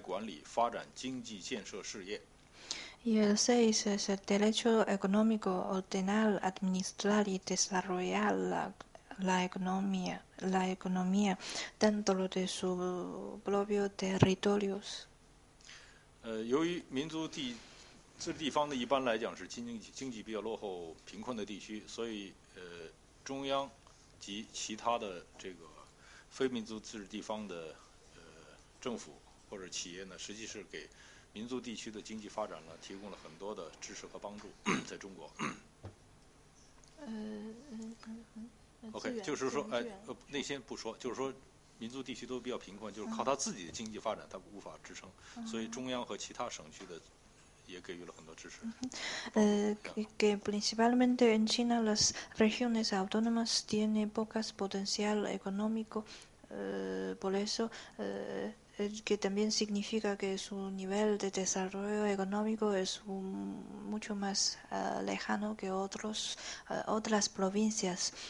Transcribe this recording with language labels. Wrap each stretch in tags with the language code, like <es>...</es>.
<zh>第六项权利是经济权利，就是自治地方可以自主安排管理发展经济建设事业。</zh> <es>Y el 6 es el derecho económico, ordenar, administrar y desarrollar la economía dentro de su propio territorio.</es> <zh>由于民族自治地方呢，一般来讲是经济比较落后、贫困的地区，所以中央及其他的这个非民族自治地方的政府或者企业呢，实际是给。民族地区的经济发展呢，提供了很多的支持和帮助，在中国。OK，就是说，那先不说，就是说，民族地区都比较贫困，就是靠他自己的经济发展，他无法支撑，所以中央和其他省区的也给予了很多支持。</zh> <es>Que principalmente en China las regiones autónomas tienen pocas potencial económico, por eso, que también significa que su nivel de desarrollo económico es mucho más lejano que otras provincias.</es>